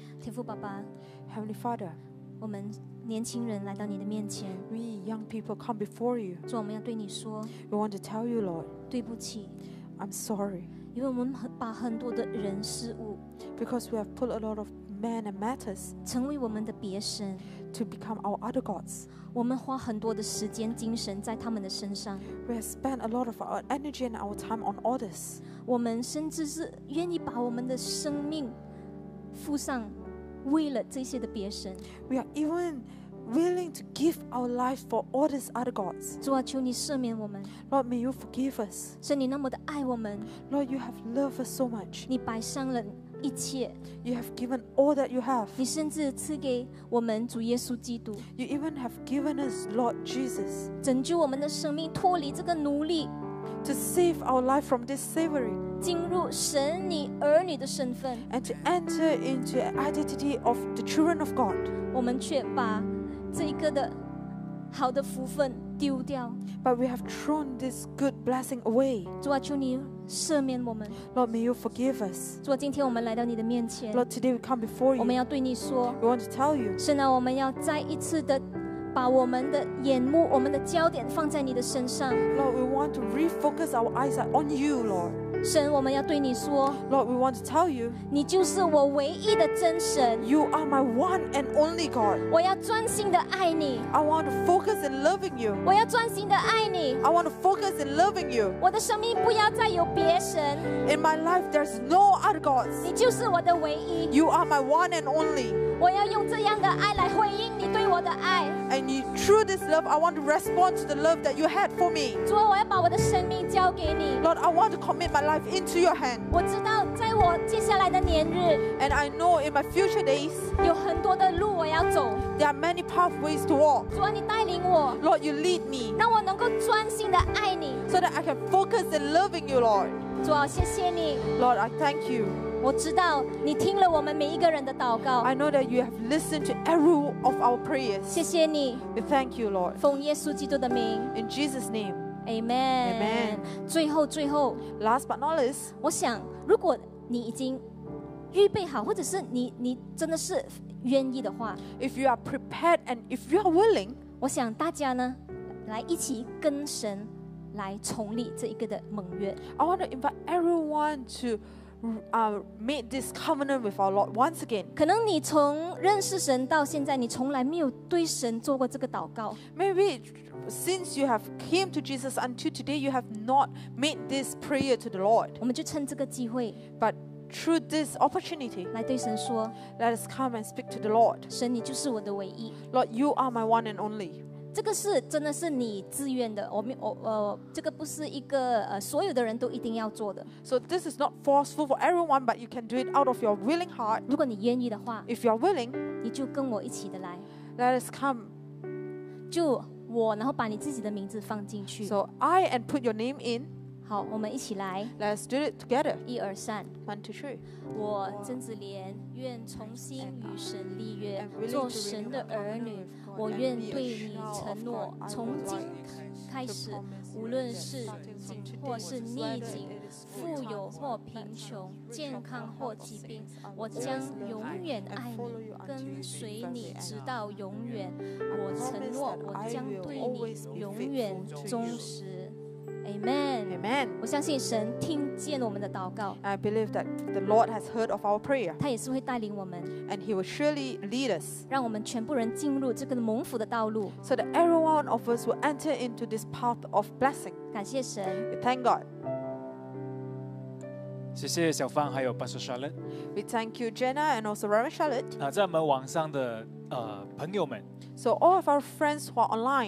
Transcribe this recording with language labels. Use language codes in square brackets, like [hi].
[zh] 父爸爸 [en] Heavenly Father [zh] 我们年轻人来到你的面前 [en] We young people come before you [zh] 主我们要对你说 [en] We want to tell you Lord [zh] 对不起 [en] I'm sorry [zh] 因为我们把很多的人事物 [en] Because we have put a lot of men and matters [zh] 成为我们的别神 [en] To become our other gods [zh] 我们花很多的时间精神在他们的身上 [en] We have spent a lot of our energy and our time on all this [zh] 我们甚至是愿意把我们的生命付上为了这些的别神 [en] We are even willing to give our life for all these other gods [zh] 主啊求你赦免我们 [en] Lord may you forgive us [zh] 神你那么的爱我们 [en] Lord you have loved us so much [zh] 你摆上了一切 [en] You have given all that you have [zh] 你甚至赐给我们主耶稣基督 [en] You even have given us Lord Jesus [zh] 拯救我们的生命脱离这个奴隶 [en] To save our life from this slavery [zh] 进入神你儿女的身份 [en] and to enter into the identity of the children of God [zh] 我们却把这一个的好的福分丢掉 [en] but we have thrown this good blessing away [zh] 主啊求你赦免我们 [en] Lord may you forgive us [zh] 主啊今天我们来到你的面前 [en] Lord today we come before you [zh] 我们要对你说 [en] we want to tell you [zh] 神啊我们要再一次的把我们的眼目我们的焦点放在你的身上 [en] Lord we want to refocus our eyes on you Lord [zh] 神我们要对你说 [en] Lord we want to tell you [zh] 你就是我唯一的真神 [en] You are my one and only God [zh] 我要专心的爱你 [en] I want to focus in loving you [zh] 我要专心的爱你 [en] I want to focus in loving you [zh] 我的生命不要再有别神 [en] In my life there's no other gods [zh] 你就是我的唯一 [en] You are my one and only [zh] 我要用这样的爱来回应你对我的爱 [en] And through this love I want to respond to the love that you had for me [zh] 主啊我要把我的生命交给你 [en] Lord I want to commit my life into your hand [zh] 我知道在我接下来的年日 [en] and I know in my future days [zh] 有很多的路我要走 [en] there are many pathways to walk [zh] 主啊你带领我 [en] Lord you lead me [zh] 让我能够专心的爱你 [en] so that I can focus in loving you Lord [zh] 主啊谢谢你 [en] Lord I thank you [zh] 我知道你听了我们每一个人的祷告 [en] I know that you have listened to every of our prayers [zh] 谢谢你 [en] we thank you Lord [zh] 奉耶稣基督的名 [en] in Jesus name Amen. Amen. [zh] 最后 [en] Last but not least， [zh] 我想如果你已经预备好，或者是 你真的是愿意的话， [en] If you are prepared and if you are willing， [zh] 我想大家呢来一起跟神来重立这一个的盟约。 [en] I want to invite everyone to made this covenant with our Lord once again。 [zh] 可能你从认识神到现在，你从来没有对神做过这个祷告。 [en] Maybe since you have came to Jesus until today, you have not made this prayer to the Lord。 [zh] 我们就趁这个机会， [en] But through this opportunity， [zh] 来对神说， [en] Let us come and speak to the Lord。 [zh] 神，你就是我的唯一。 [en] Lord, you are my one and only。 [zh] 这个是真的是你自愿的，这个不是一个所有的人都一定要做的。 [en] So this is not forceful for everyone, but you can do it out of your willing heart. [zh] 如果你愿意的话， [en] if you are willing, [zh] 你就跟我一起的来。 [en] Let us come. [zh] 就我，然后把你自己的名字放进去。 [en] So I and put your name in. [zh] 好，我们一起来。 [en] Let's do it together. [zh] 一二三。 [en] One, two, three. [zh] 我曾子莲愿重新与神立约，做神的儿女。我愿对你承诺，从今开始，无论是紧或是逆境，富有或贫穷，健康或疾病，我将永远爱你，跟随你直到永远。我承诺，我将对你永远忠实。Amen. [en] Amen. [zh] 我相信神听见我们的祷告。 [en] I believe that the Lord has heard of our prayer. [zh] 他也是会带领我们。 [en] And he will surely lead us. [zh] 让我们全部人进入这个蒙福的道路。 [en] So that everyone of us will enter into this path of blessing. [zh] 感谢神。 [en] We thank God. [zh] 谢谢小芳还有 Pastor Charlotte. [en] We thank you Jenna and also Reverend Charlotte. [zh] 在我们网上的朋友们。 [en] So all of our friends who are online，